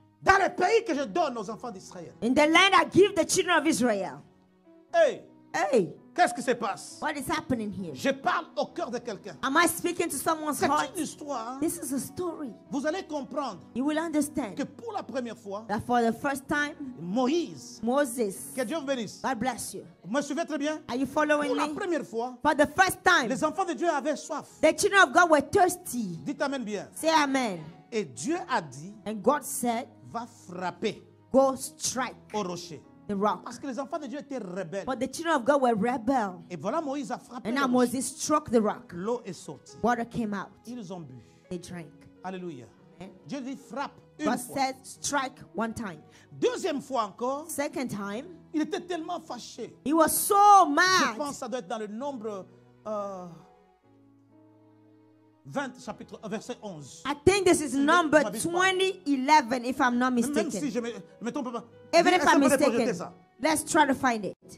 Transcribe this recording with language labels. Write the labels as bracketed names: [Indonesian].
[French] Dans le pays que je donne aux enfants d'Israël. [English] In the land I give the children of Israel. Hey. Hey. [French] Qu'est-ce qui se passe? [English] What is happening here? [French] Je parle au cœur de quelqu'un. [English] Am I speaking to someone's [French] C'est [English] heart? [French] C'est une histoire. Hein? [English] This is a story. [French] Vous allez comprendre. [English] You will understand. [French] Que pour la première fois. [English] That for the first time. [French] Moses. Que Dieu vous bénisse. [English] God bless you. [French] Me suivez très bien. [English] Are you following [French] pour [English] me? [French] Pour la première fois. [English] For the first time. [French] Les enfants de Dieu avaient soif. [English] The children of God were thirsty. [French] Dites amen bien. [English] Say amen. [French] Et Dieu a dit. [English] And God said. [French] Va frapper. [English] Go strike. [French] Au rocher. [English] The rock. [French] Parce que les enfants de Dieu étaient rebelles. [English] But the children of God were rebel. [French] Et voilà, Moïse a frappé. [English] And now Moses struck the rock. [French] L'eau est sortie. [English] Water came out. [French] Ils ont bu. [English] They drank. [French] Alléluia. Dieu dit frappe une fois. [English] God said strike one time. [French] Deuxième fois encore. [English] Second time. [French] Il était tellement fâché. [English] He was so mad. [French] Je pense que ça doit être dans le nombre 20 chapitre verset 11. [English] I think this is number 2011 if I'm not mistaken. [French] Même si je me trompe pas. [English] Even if I'm mistaken, let's try to find it.